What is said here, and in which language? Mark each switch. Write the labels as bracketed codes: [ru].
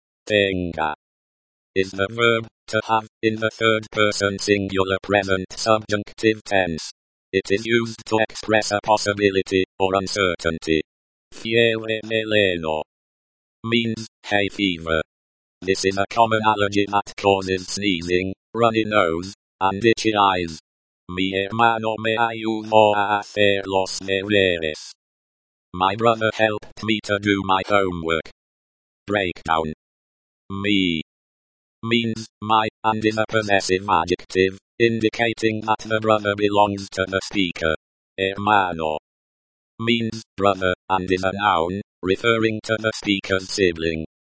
[en] Tenga is the verb to have in the third person singular present subjunctive tense. It is used to express a possibility or uncertainty. Fiebre de lelo means hay fever. This is a common allergy that causes sneezing, runny nose, and itchy eyes. [es] Mi hermano me ayudó a hacer los deberes. [en] My brother helped me to do my homework. Breakdown. Me means my, and is a possessive adjective, indicating that the brother belongs to the speaker. Hermano means brother, and is a noun, referring to the speaker's sibling.